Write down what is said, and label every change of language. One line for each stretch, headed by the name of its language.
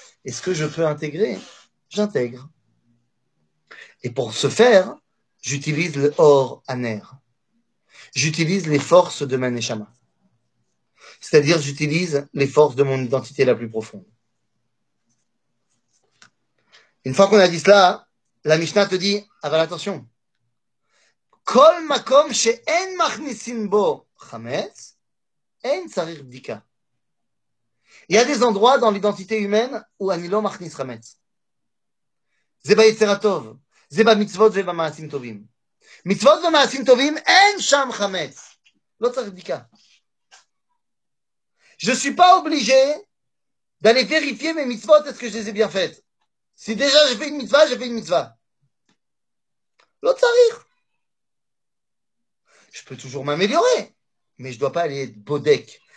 French: Et ce que je peux intégrer, j'intègre. Et pour ce faire, j'utilise le or aner. J'utilise les forces de ma neshama. C'est-à-dire, j'utilise les forces de mon identité la plus profonde. Une fois qu'on a dit cela, la Mishnah te dit, ah ben attention,
Hebrew: כל מקום שאין מכניסים בו חמץ, אין צריך בדיקה.
French: Il y a des endroits dans l'identité humaine où
Hebrew: אני לא מכניס חמץ. זה ביצר הטוב, זה במצוות ובמעשים טובים. מצוות ומעשים טובים, אין שם חמץ. לא צריך בדיקה.
French: Je suis pas obligé d'aller vérifier mes mitzvot, est-ce que je les ai bien faites. Si déjà j'ai fait une mitzvah, j'ai fait une mitzvah.
Hebrew: Lo tzarich.
French: Je peux toujours m'améliorer, mais je dois pas aller être bodek.